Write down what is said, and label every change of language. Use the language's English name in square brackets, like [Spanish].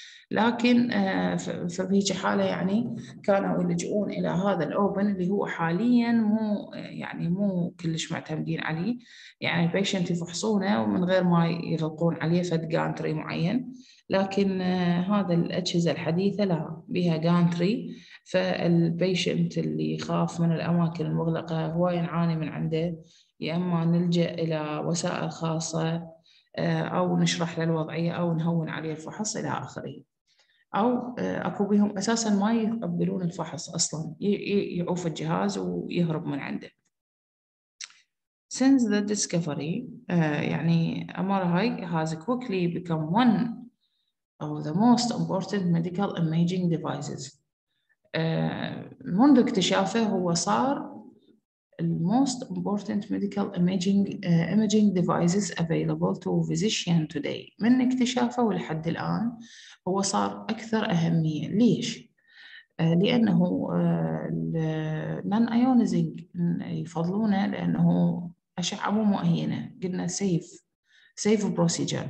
[Arabic] لكن في هيك حاله يعني كانوا يلجؤون الى هذا الاوبن اللي هو حاليا مو يعني مو كلش معتمدين عليه، يعني البيشنت يفحصونه ومن غير ما يغلقون عليه فد جانتري معين، لكن هذا الاجهزه الحديثه لها بها جانتري، فالبيشنت اللي يخاف من الاماكن المغلقه هو يعاني من عنده، يا اما نلجا الى وسائل خاصه او نشرح له الوضعيه او نهون عليه الفحص الى اخره، او اكو بهم اساسا ما يقبلون الفحص اصلا، يعوف الجهاز ويهرب من عنده. [English] Since the discovery يعني MRI has quickly become one of the most important medical imaging devices. [Arabic] منذ اكتشافه هو صار [English] الموست important medical imaging devices available to physician today, [Arabic] من اكتشافه ولحد الان هو صار اكثر اهميه. ليش؟ لانه النون ايونيزنج يفضلونه لانه اشعه مو مؤينه، قلنا سيف بروسيجر.